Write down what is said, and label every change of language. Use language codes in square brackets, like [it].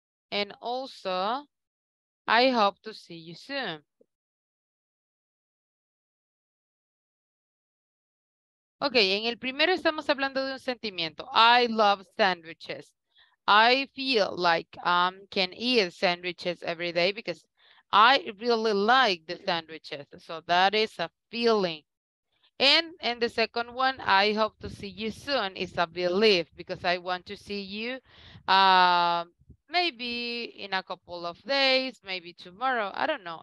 [en] And also, I hope to see you soon. [es] Okay, en el primero estamos hablando de un sentimiento. [en] I love sandwiches. I feel like can eat sandwiches every day because I really like the sandwiches. So that is a feeling. And in the second one, I hope to see you soon. It's a belief because I want to see you maybe in a couple of days, maybe tomorrow. I don't know.